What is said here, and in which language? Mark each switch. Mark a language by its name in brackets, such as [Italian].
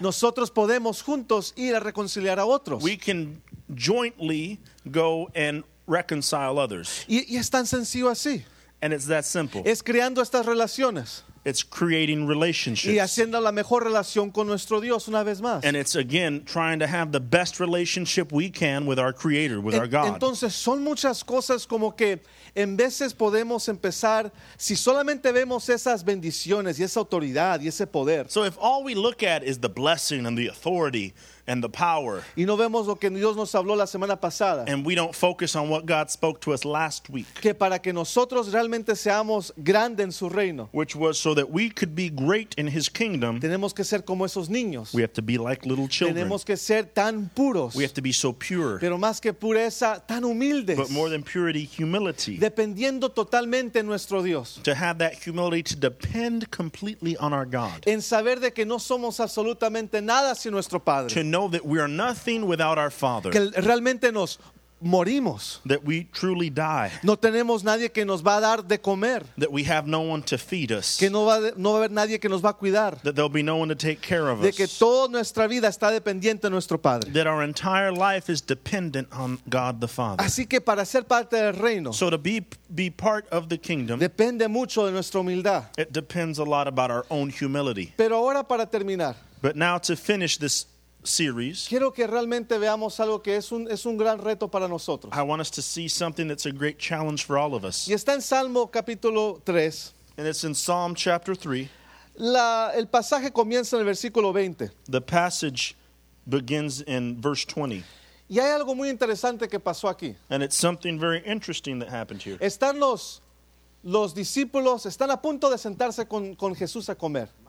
[Spanish] Nosotros podemos juntos ir a reconciliar a otros. [English] We can jointly go and reconcile others. [Spanish] Y es tan sencillo así. [English] And it's that simple. [Spanish] Es creando estas relaciones. [English] It's creating relationships. [Spanish] Y haciendo la mejor relación con nuestro Dios una vez más. [English] And it's again trying to have the best relationship we can with our Creator, with our God. [Spanish] Entonces son muchas cosas como que en veces podemos empezar si solamente vemos esas bendiciones y esa autoridad y ese poder. [English] So if all we look at is the blessing and the authority and the power. [Spanish] Y no vemos lo que Dios nos habló la semana pasada. [English] And we don't focus on what God spoke to us last week. [Spanish] Que para que nosotros realmente seamos grande en su reino. [English] Which was so that we could be great in his kingdom. [Spanish] Tenemos que ser como esos niños. [English] We have to be like little children. [Spanish] Tenemos que ser tan puros. [English] We have to be so pure. [Spanish] Pero más que pureza, tan humildes. [English] But more than purity, humility. [Spanish] Dependiendo totalmente en nuestro Dios. [English] To have that humility to depend completely on our God. [Spanish] En saber de que no somos absolutamente nada sin nuestro Padre. [English] To know that we are nothing without our Father. [Spanish] Que realmente nos morimos. [English] That we truly die. [Spanish] No tenemos nadie que nos va a dar de comer. [English] That we have no one to feed us. [Spanish] Que no va a haber nadie que nos va a cuidar. [English] That there'll be no one to take care of [Spanish] de [English] us. [Spanish] Que toda nuestra vida está dependiente de nuestro Padre. [English] That our entire life is dependent on God the Father. [Spanish] Así que para ser parte del reino, [English] so to be part of the kingdom, [Spanish] depende mucho de nuestra humildad. [English] It depends a lot about our own humility. [Spanish] Pero ahora para terminar, [English] but now to finish this series. [Spanish] Quiero que realmente veamos algo que es un gran reto para nosotros. [English] I want us to see something that's a great challenge for all of us. [Spanish] Y está en Salmo capítulo 3. [English] And it's in Psalm chapter 3. [Spanish] El pasaje comienza en el versículo 20. [English] The passage begins in verse 20. [Spanish] Y hay algo muy interesante que pasó aquí. [English] And it's something very interesting that happened here. [Spanish] Están los discípulos están a punto de sentarse con Jesús a comer.